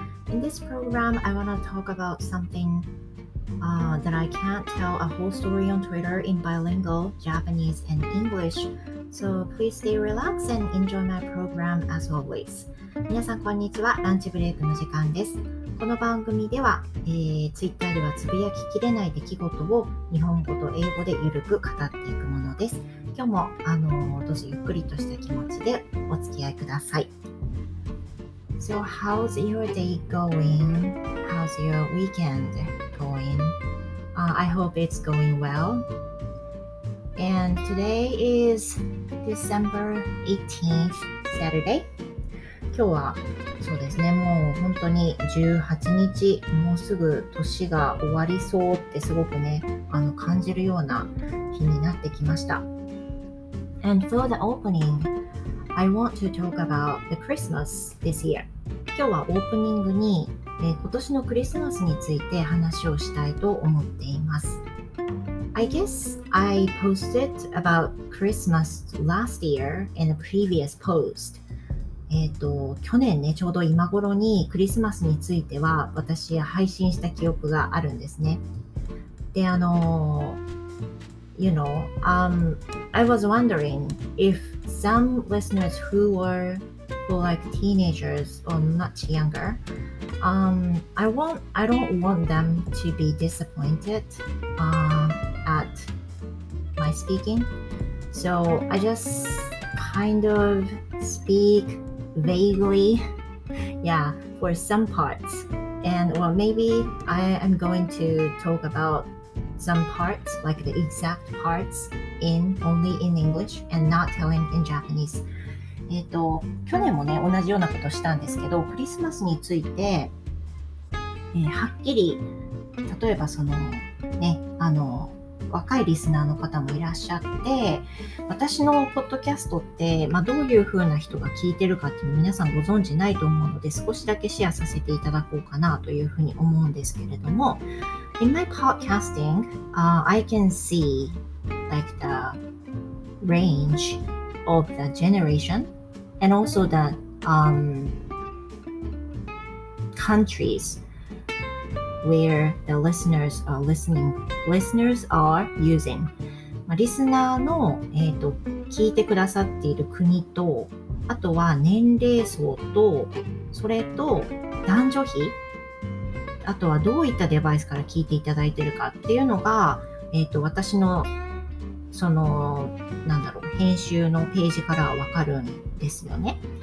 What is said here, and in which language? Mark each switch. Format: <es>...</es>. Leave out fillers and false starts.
<en>In this program, I want to talk about something that I can't tell a whole story on Twitter in bilingual, Japanese, and English. So please stay relaxed and enjoy my program as always.</en> <ja>皆さんこんにちは。ランチブレイクの時間です。この番組では、Twitter ではつぶやききれない出来事を日本語と英語でゆるく語っていくものです。今日も、どうぞゆっくりとした気持ちでお付き合いください。</ja> <en>So how's your day going? How's your weekend going? I hope it's going well. And today is December 18th, Saturday.</en> <ja>今日はそうですね、もう本当に18日、もうすぐ年が終わりそうってすごくね感じるような日になってきました。</ja> <en>And for the opening, I want to talk about the Christmas this year.</en> <ja>今日はオープニングに、今年のクリスマスについて話をしたいと思っています。</ja> <en>I guess I posted about Christmas last year in a previous post.</en> <ja>去年ね、ちょうど今頃にクリスマスについては私配信した記憶があるんですね。で、</ja> <en>you know, I was wondering if some listeners who were for like teenagers or much younger, I don't want them to be disappointed, at my speaking. So I just kind of speakvaguely, yeah, for some parts, and well, maybe I am going to talk about some parts, like the exact parts, in only in English and not telling in Japanese.</en> <ja>去年もね、同じようなことしたんですけど、クリスマスについて、はっきり、例えばそのね、若いリスナーの方もいらっしゃって、私のポッドキャストって、どういう風な人が聞いてるかっていうの皆さんご存知ないと思うので、少しだけシェアさせていただこうかなという風に思うんですけれども、</ja> <en>In my podcasting, I can see like the range of the generation and also the countriesWhere the listeners are using.</en> <ja>リスナーの、聞いてくださっている国と、あとは年齢層と、それと男女比、あとはどういったデバイスから聞いていただいているかっていうのが、私のその、なんだろう、編集のページからわかるんですよね。</ja>